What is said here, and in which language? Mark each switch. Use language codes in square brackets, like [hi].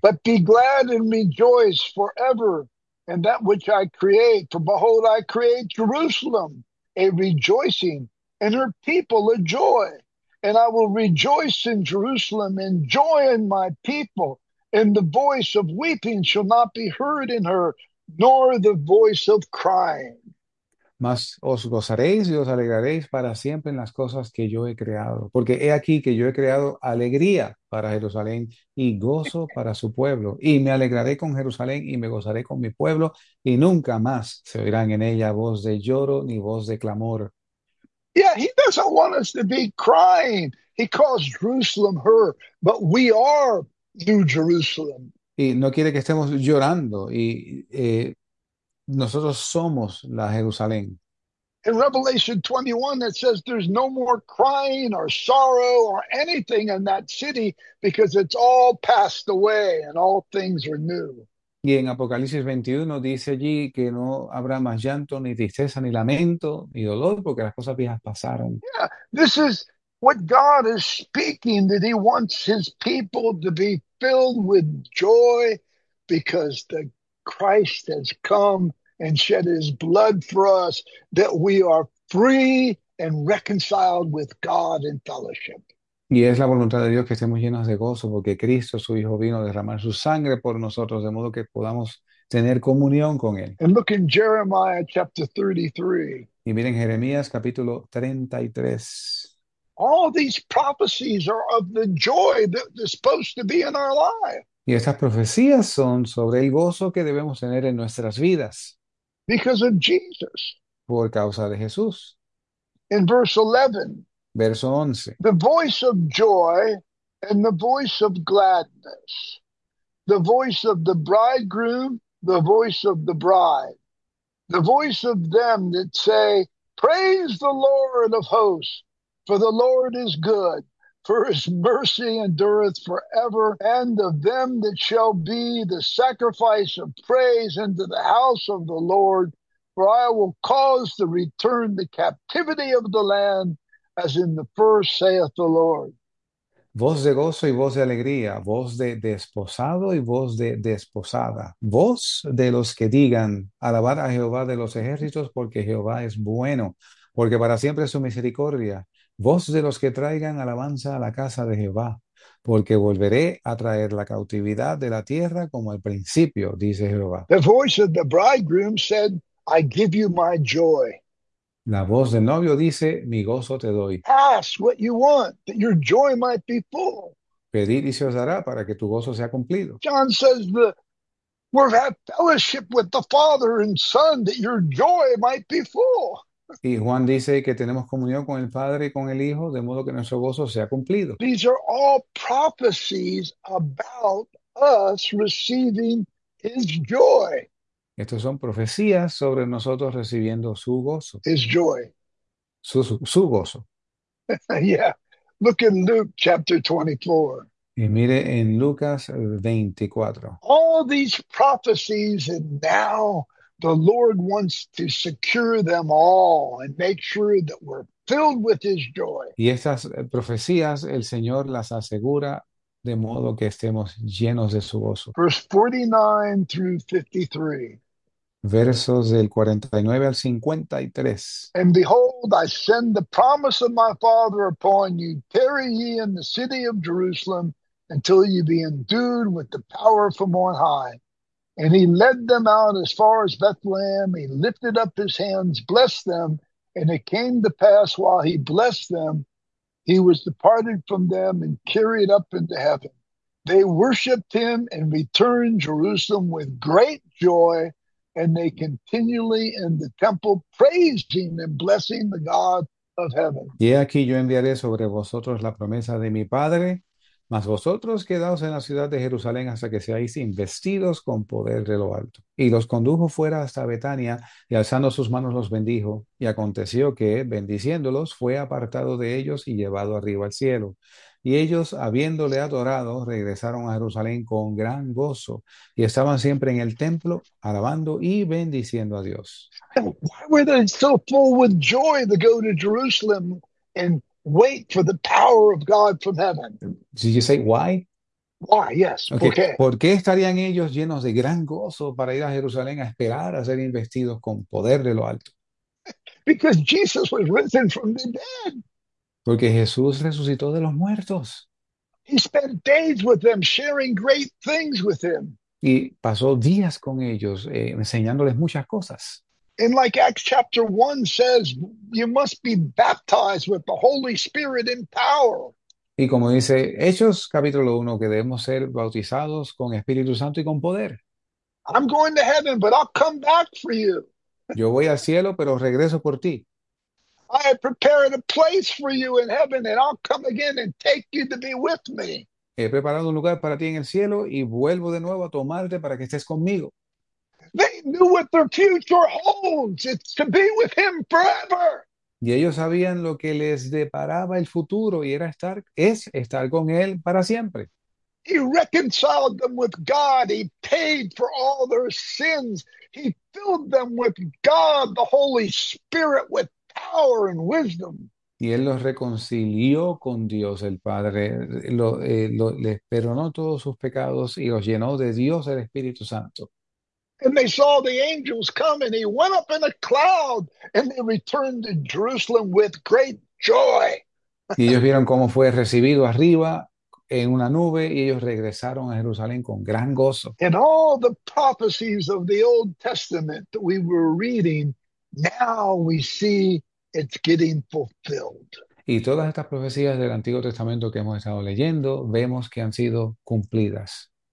[en] But be glad and rejoice forever in that which I create, for behold, I create Jerusalem a rejoicing and her people a joy. And I will rejoice in Jerusalem and joy in my people, and the voice of weeping shall not be heard in her, nor the voice of crying. [es] Mas os gozaréis y os alegraréis para siempre en las cosas que yo he creado, porque he aquí que yo he creado alegría para Jerusalén y gozo para su pueblo, y me alegraré con Jerusalén y me gozaré con mi pueblo, y nunca más se oirán en ella voz de lloro ni voz de clamor. [en] Yeah, he doesn't want us to be crying. He calls Jerusalem her, but we are New Jerusalem. [es] Y no quiere que estemos llorando y nosotros somos la Jerusalén. [en] In Revelation 21, it says there's no more crying or sorrow or anything in that city because it's all passed away and all things are new. [es] Y en Apocalipsis 21 dice allí que no habrá más llanto, ni tristeza, ni lamento, ni dolor, porque las cosas viejas pasaron. [en] This is what God is speaking, that he wants his people to be filled with joy because the Christ has come and shed his blood for us, that we are free and reconciled with God in fellowship. [es] Y es la voluntad de Dios que estemos llenos de gozo, porque Cristo, su Hijo, vino a derramar su sangre por nosotros, de modo que podamos tener comunión con Él. [en] And look in Jeremiah chapter 33. [es] Y miren Jeremías capítulo 33. [en] All these prophecies are of the joy that is supposed to be in our life. [es] Y estas profecías son sobre el gozo que debemos tener en nuestras vidas [en] Because of Jesus. [es] por causa de Jesús. [en] In verse 11, [es] Verso 11. [en] the voice of joy and the voice of gladness, the voice of the bridegroom, the voice of the bride, the voice of them that say, Praise the Lord of hosts. For the Lord is good, for his mercy endureth forever, and of them that shall be the sacrifice of praise into the house of the Lord, for I will cause to return the captivity of the land, as in the first, saith the Lord. [es] Voz de gozo y voz de alegría, voz de desposado y voz de desposada, voz de los que digan, alabad a Jehová de los ejércitos, porque Jehová es bueno, porque para siempre es su misericordia, voz de los que traigan alabanza a la casa de Jehová, porque volveré a traer la cautividad de la tierra como al principio, dice Jehová. [en] The voice of the bridegroom said, I give you my joy. [es] La voz del novio dice, mi gozo te doy. [en] Ask what you want, that your joy might be full. [es] Pedid y se os dará para que tu gozo sea cumplido. [en] John says that we've had fellowship with the Father and Son, that your joy might be full. [es] Y Juan dice que tenemos comunión con el Padre y con el Hijo, de modo que nuestro gozo sea cumplido. [en] These are all prophecies about us receiving His joy. [es] Estas son profecías sobre nosotros recibiendo su gozo. [en] His joy. [es] Su gozo. [en] Yeah. Look in Luke chapter 24. [es] Y mire en Lucas 24. [en] All these prophecies, and now the Lord wants to secure them all and make sure that we're filled with His joy. [es] Y estas profecías el Señor las asegura de modo que estemos llenos de su gozo. [en] Verse 49 through 53. [es] Versos del 49 al 53. [en] And behold, I send the promise of my Father upon you. Tarry ye in the city of Jerusalem until ye be endued with the power from on high. And he led them out as far as Bethlehem. He lifted up his hands, blessed them. And it came to pass while he blessed them, he was departed from them and carried up into heaven. They worshiped him and returned Jerusalem with great joy, and they continually in the temple praising and blessing the God of heaven. [es] Y he aquí yo enviaré sobre vosotros la promesa de mi Padre, mas vosotros quedaos en la ciudad de Jerusalén hasta que seáis investidos con poder de lo alto. Y los condujo fuera hasta Betania, y alzando sus manos los bendijo. Y aconteció que, bendiciéndolos, fue apartado de ellos y llevado arriba al cielo. Y ellos, habiéndole adorado, regresaron a Jerusalén con gran gozo, y estaban siempre en el templo, alabando y bendiciendo a Dios. [en] Why were they so full with joy to go to Jerusalem and wait for the power of God from heaven? Did you say why? Why, yes, Okay, okay. [es] ¿por qué estarían ellos llenos de gran gozo para ir a Jerusalén a esperar a ser investidos con poder de lo alto? [en] Because Jesus was risen from the dead. [es] Porque Jesús resucitó de los muertos. [en] He spent days with them, sharing great things with him. [es] Y pasó días con ellos, enseñándoles muchas cosas. [en] And like Acts chapter 1 says, you must be baptized with the Holy Spirit in power. [es] Y como dice Hechos capítulo 1, que debemos ser bautizados con Espíritu Santo y con poder. [en] I'm going to heaven, but I'll come back for you. [es] Yo voy al cielo, pero regreso por ti. [en] I prepared a place for you in heaven, and I'll come again and take you to be with me. [es] He preparado un lugar para ti en el cielo y vuelvo de nuevo a tomarte para que estés conmigo. [en] They knew what their future holds. It's to be with him forever. [es] Y ellos sabían lo que les deparaba el futuro y era estar, es estar con él para siempre. [en] He reconciled them with God. He paid for all their sins. He filled them with God, the Holy Spirit, with power and wisdom. [es] Y él los reconcilió con Dios el Padre, les perdonó todos sus pecados y los llenó de Dios el Espíritu Santo. [en] And they saw the angels come, and he went up in a cloud, and they returned to Jerusalem with great joy. [es] Y ellos vieron cómo fue recibido arriba en una nube y ellos regresaron a Jerusalén con gran gozo. [en] And all the prophecies of the Old Testament that we were reading, now we see it's getting fulfilled. [es] Y todas estas profecías del Antiguo Testamento que hemos estado leyendo, vemos que han sido cumplidas.